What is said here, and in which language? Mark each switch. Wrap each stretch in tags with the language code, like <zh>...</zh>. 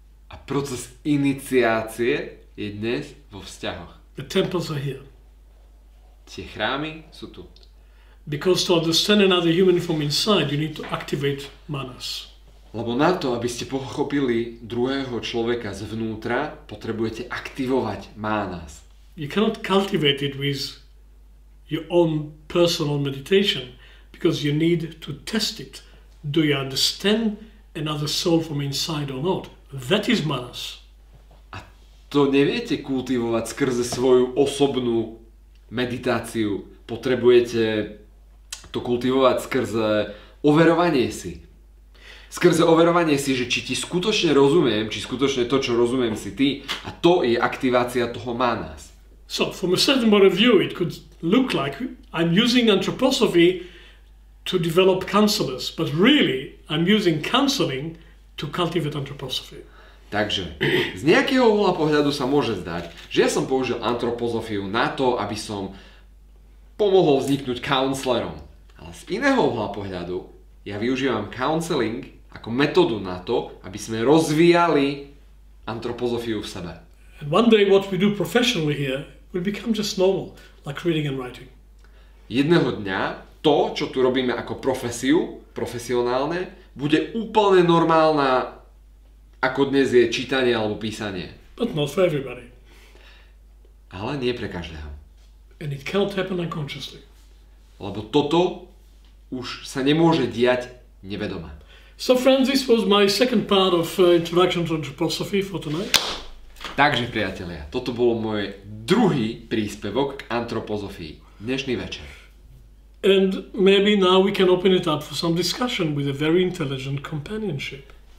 <sk>A proces iniciácie je dnes vo vzťahoch.</sk> <en>The temples are here.</en> <sk>Tie chrámy sú tu.</sk> <en>Because to understand another human from inside, you need to activate manas.</en> <sk>Lebo na to, aby ste pochopili druhého človeka zvnútra, potrebujete aktivovať manas.</sk> <en>You cannot cultivate it with your own personal meditation, because you need to test it. Do you understand another soul from inside or not? That is manas.</en> <sk>To neviete kultivovať skrze svoju osobnú meditáciu. Potrebujete to kultivovať skrze overovanie si. Skrze overovanie si, že či ti skutočne rozumiem, či skutočne to, čo rozumiem, si ty. A to je aktivácia toho manas.</sk> <en>So, from a certain point of view, it could look like I'm using anthroposophy to develop counselors. But really, I'm using counseling to cultivate anthroposophy.</en> <sk>Takže, z nejakého uhla pohľadu sa môže zdať, že ja som použil antropozofiu na to, aby som pomohol vzniknúť counselorom. Ale z iného uhla pohľadu ja využívam counseling ako metódu na to, aby sme rozvíjali antropozofiu v sebe.</sk> <en>And one day what we do professionally here will become just normal, like reading and writing.</en> <sk>Jedného dňa to, čo tu robíme ako profesiu, profesionálne, bude úplne normálna ako dnes je čítanie alebo písanie.</sk> <en>But not for everybody.</en> <sk>Ale nie pre každého.</sk> <en>And it cannot happen unconsciously.</en> <sk>Lebo toto už sa nemôže diať nevedomá.</sk> <en>So friends, this was my second part of introduction to anthroposophy for tonight.</en> <sk>Takže priatelia, toto bolo môj druhý príspevok k antropozofii. Dnešný večer.</sk> <en>And maybe now we can open it up for some discussion with a very intelligent companionship.</en>